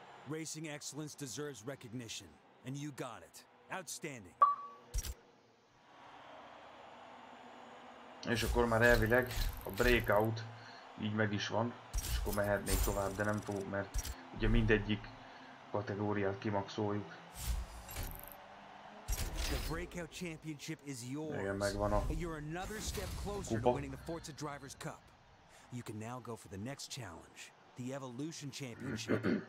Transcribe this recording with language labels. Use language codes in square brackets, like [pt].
[en] Racing excellence deserves recognition, and you got it. Outstanding. [hu] És akkor már elvileg a breakout így meg is van, és akkor mehetnék tovább, de nem fogok, mert ugye mindegyik kategóriát kimaxoljuk. [en] The breakout championship is yours. [hu] Igen, megvan a kupa. [en] You're another step closer to winning the Forza Drivers Cup. You can now go for the next challenge, the Evolution Championship.